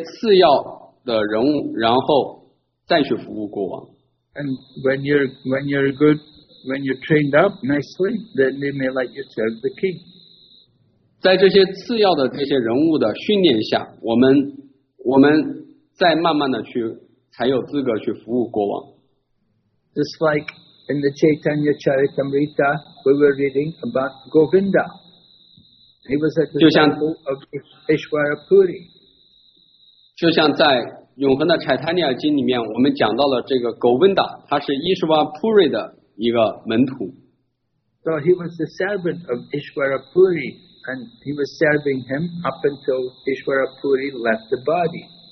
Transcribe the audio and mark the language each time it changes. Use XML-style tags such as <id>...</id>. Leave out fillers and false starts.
<zh>我们先服务一些次要的人物, 然后再去服务国王。</zh> <en>And when you're good, when you're trained up nicely, then they may let you serve the king.</en> <zh>在这些次要的这些人物的训练下，我们再慢慢的去才有资格去服务国王。</zh> <en>Just like in the Chaitanya Charitamrita, we were reading about Govinda. He was a disciple of Ishwara Puri.</en> <zh>就像在 永恒的柴塔尼亚经里面我们讲到了这个Govinda，他是伊什瓦普瑞的一个门徒。</zh> <en>So he was the servant of Ishwara Puri, and he was serving him up until Ishwara Puri left the body.</en>